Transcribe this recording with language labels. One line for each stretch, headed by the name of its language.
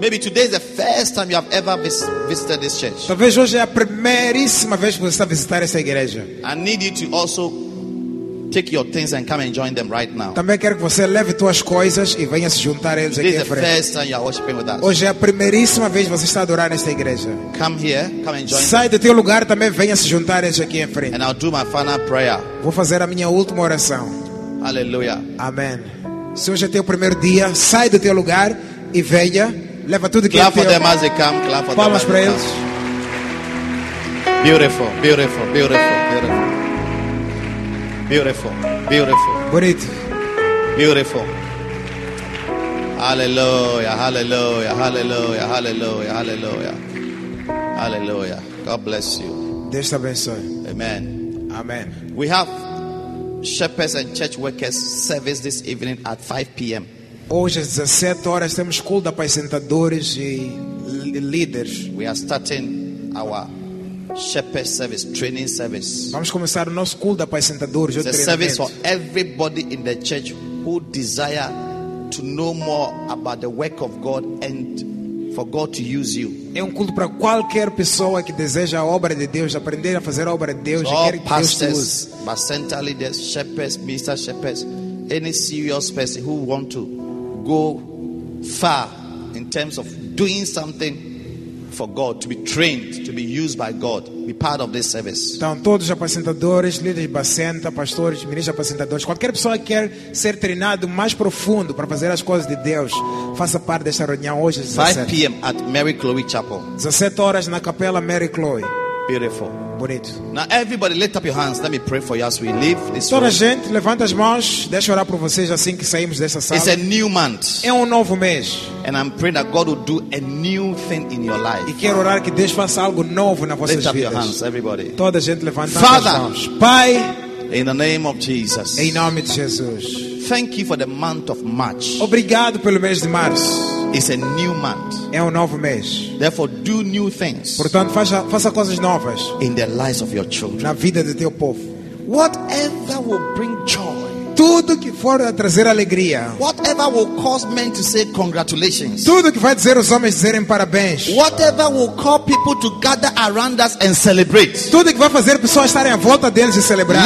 English: Maybe today is the first time you have ever visited this church.
Portuguese: Talvez hoje é a primeiríssima vez que você está a visitar essa igreja.
English: I need you to also take your things and come and join them right now.
Portuguese: Também quero que você leve suas coisas e venha se juntar a eles aqui à frente.
English: This is the first time you are worshiping with us.
Portuguese: Hoje é a primeiríssima vez que você está a adorar nesta igreja.
English: Come here, come and join.
Portuguese: Sai do teu lugar também, venha se juntar a eles aqui à frente.
English: And I'll do my final prayer.
Portuguese: Vou fazer a minha última oração. Aleluia. Amém. Se hoje é teu primeiro dia, sai do teu lugar e venha, leva tudo que
English: clap for them as they come, clap for
Portuguese: palmas
English: them as
Portuguese: eles.
English: Come. Beautiful, beautiful, beautiful, beautiful. Beautiful, beautiful.
Portuguese: Bonito.
English: Beautiful. Hallelujah, hallelujah, hallelujah, hallelujah, hallelujah. Hallelujah. God bless you.
Portuguese: Deus te abençoe.
English: Amen.
Portuguese: Amen.
English: We have shepherds and church workers service this evening at 5 p.m.
Portuguese: Hoje às 17 horas temos culto de apacentadores e líderes.
English: We are starting our shepherd service, training service.
Portuguese: Vamos começar o nosso culto de apacentadores.
English: It's a service for everybody in the church who desire to know more about the work of God and for God to use you.
Portuguese: É um culto para qualquer pessoa que deseja a obra de Deus, aprender a fazer a obra de Deus, so e quer que Deus te use.
English: But centrally, the shepherds, Mr. Shepherds, any serious person who want to go far in terms of doing something for God, to be trained, to be used by God, be part of this service.
Portuguese: Então, todos os apacentadores, líderes de bacenta, pastores, ministros de apacentadores, qualquer pessoa que quer ser treinado mais profundo para fazer as coisas de Deus, faça parte desta reunião hoje às
English: 5 p.m. at Mary Chloe Chapel.
Portuguese: 17 horas na capela Mary Chloe.
English: Beautiful.
Portuguese: Bonito.
English: Now everybody lift up your hands. Let me pray for you as we leave this room.
Portuguese: Toda gente levanta as mãos. Deixa eu orar por vocês assim que saímos dessa sala.
English: It's a new month.
Portuguese: É novo mês.
English: And I'm praying that God will do a new thing in your life.
Portuguese: E quero orar que Deus faça algo novo na vossa vida.
English: Lift up your hands, everybody.
Portuguese: Toda gente levanta
English: Father,
Portuguese: as mãos. Pai,
English: in the name of Jesus.
Portuguese: Em nome de Jesus.
English: Thank you for the month of March.
Portuguese: Obrigado pelo mês de março.
English: It's a new month.
Portuguese: É novo mês.
English: Therefore, do new things.
Portuguese: Portanto, faça coisas novas.
English: In the lives of your children.
Portuguese: Na vida do teu povo.
English: Whatever will bring joy.
Portuguese: Tudo que for trazer alegria.
English: Whatever will cause men to say congratulations.
Portuguese: Tudo que vai dizer os homens dizerem parabéns.
English: Whatever will call people to gather around us and celebrate.
Portuguese: Tudo que vai fazer pessoas estarem à volta deles e celebrar.